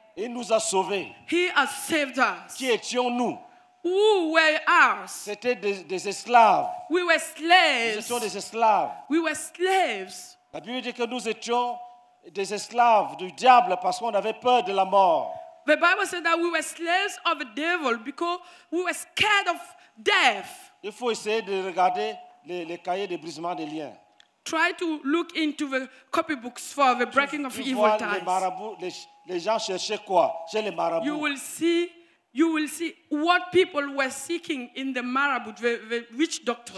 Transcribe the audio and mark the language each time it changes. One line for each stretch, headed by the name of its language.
French: Il nous a sauvés.
English: He has saved us.
French: Qui étions-nous?
English: Who were us?
French: C'était des esclaves.
English: We were slaves.
French: Nous étions des esclaves.
English: We were slaves.
French: La Bible dit que nous étions des esclaves du diable parce qu'on avait peur de la mort.
English: The Bible said that we were slaves of the devil because we were scared of death.
French: Il faut essayer de regarder les cahiers de brisement des liens.
English: Try to look into the copybooks for the breaking of evil ties.
French: Les gens cherchaient quoi? Chez les marabouts.
English: You will see what people were seeking in the marabout, the witch doctors.